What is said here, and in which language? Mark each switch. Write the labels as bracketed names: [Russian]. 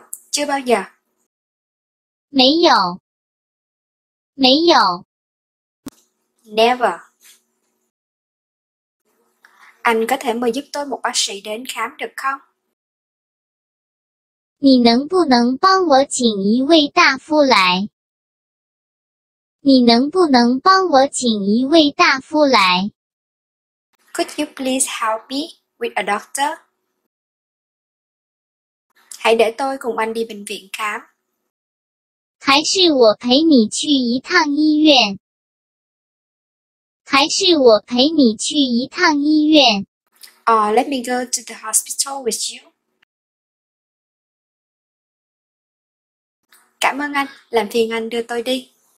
[Vietnamese] Chưa bao giờ. [Chinese] 没有.没有. [English] Never. [Vietnamese] Anh có thể mời giúp tôi một bác sĩ đến khám được không? [Chinese] 你能不能帮我请一位大夫来?你能不能帮我请一位大夫来? [English] Could you please help me with a doctor? [Vietnamese] Hãy để tôi cùng anh đi bệnh viện khám. [Chinese] 还是我陪你去一趟医院?还是我陪你去一趟医院? [English] Or let me go to the hospital with you. [Vietnamese] Cảm ơn anh, làm phiền anh đưa tôi đi.